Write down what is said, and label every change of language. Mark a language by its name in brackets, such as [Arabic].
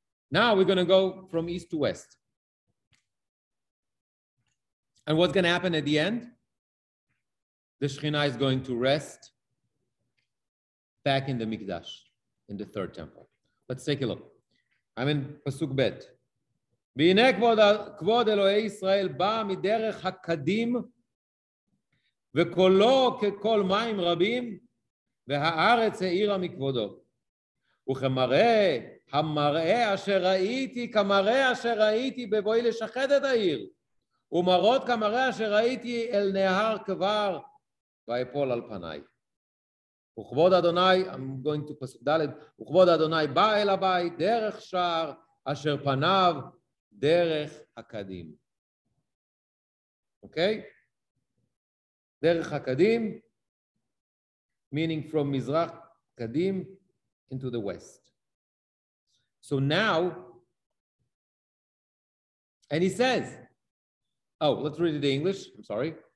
[English] Now we're going to go from east to west. And what's going to happen at the end? The Shekhinah is going to rest back in the Mikdash, in the third temple. Let's take a look. I'm in Pasuk Bet. [Hebrew] והנה כבוד אלוהי ישראל בא מדרך הקדים וקולו ככל מים רבים והארץ העירה מכבודו וכמראה המראה אשר ראיתי כמראה אשר ראיתי בבואי לשחד את העיר ומראות כמראה אשר ראיתי אל נהר כבר ואפול על פניי וכבוד אדוני [English] I'm going to pass [Hebrew] דלת וכבוד אדוני בא אל הבית דרך שער אשר פניו Derech Hakadim. [English] Okay? Derech Hakadim, meaning from Mizrach Kadim into the west. So now, and he says, oh, let's read it in English. I'm sorry.